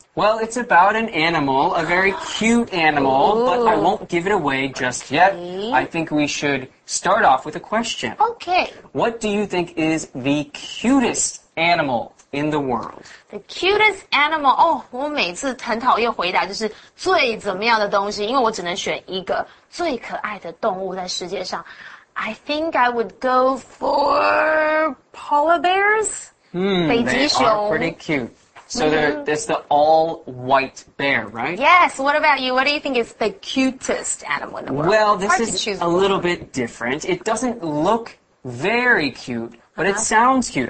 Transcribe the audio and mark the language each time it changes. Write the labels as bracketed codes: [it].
[en] Well, it's about an animal, a very cute animal, but I won't give it away just yet. I think we should start off with a question. Okay. What do you think is the cutest animal? In the world. The cutest animal. [zh] Oh, 我每次很讨厌回答就是最怎么样的东西因为我只能选一个最可爱的动物在世界上。 [en] I think I would go for polar bears. They are pretty cute. So that's the all white bear, right? Yes. What about you? What do you think is the cutest animal in the world? Well, this is a little bit different. It doesn't look very cute. But it sounds cute.